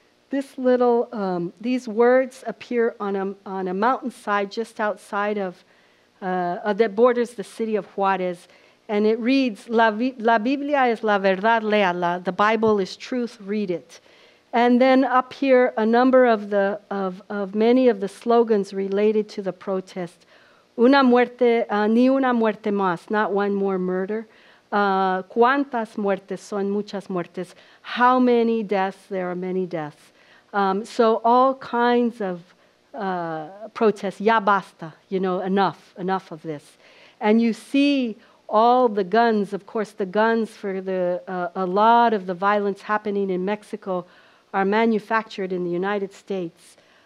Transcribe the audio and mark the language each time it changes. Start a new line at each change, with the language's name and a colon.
English: This little, these words appear on a mountainside just outside of, that borders the city of Juarez. And it reads,
Spanish: La Biblia es la verdad, léala.
English: The Bible is truth, read it. And then up here, a number of the, of many of the slogans related to the protest.
Spanish: Una muerte, ni una muerte más,
English: not one more murder.
Spanish: Cuántas muertes son muchas muertes.
English: How many deaths, there are many deaths. So all kinds of protests,
Spanish: ya basta,
English: you know, enough of this. And you see all the guns, of course, the guns for the a lot of the violence happening in Mexico are manufactured in the United States.